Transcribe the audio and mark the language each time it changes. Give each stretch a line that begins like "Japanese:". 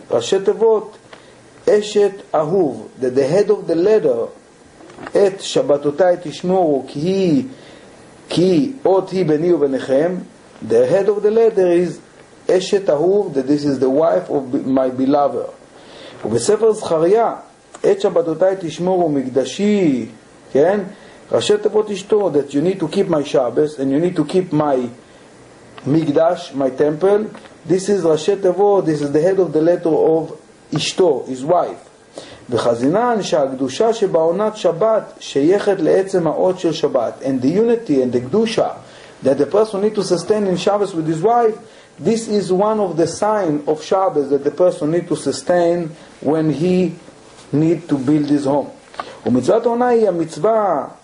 Hebrew: ראשי תיבות אשת אהוב,
English: that the head of the letter,
Hebrew: את שבתותיי תשמורו כי עוד היא בני וביניכם,
English: the head of the letter is
Hebrew: אשת אהוב,
English: that this is the wife of my beloved.
Hebrew: ובספר זכריה, את שבתותיי תשמורו מקדשי, כן? ראשי תיבות אשתו,
English: that you need to keep my Shabbos, and you need to keep my מקדש, my temple. This is ראשי תיבות, this is the head of the letter of אשתו, his wife.
Hebrew: וחזינן שהקדושה שבעונת שבת שייכת לעצם האות של שבת,
English: and the unity and the קדושה, that the person need to sustain in Shabbos with his wife, this is one of the signs of Shabbos that the person need to sustain when he need to build his home.
Hebrew: ומצוות העונה היא המצווה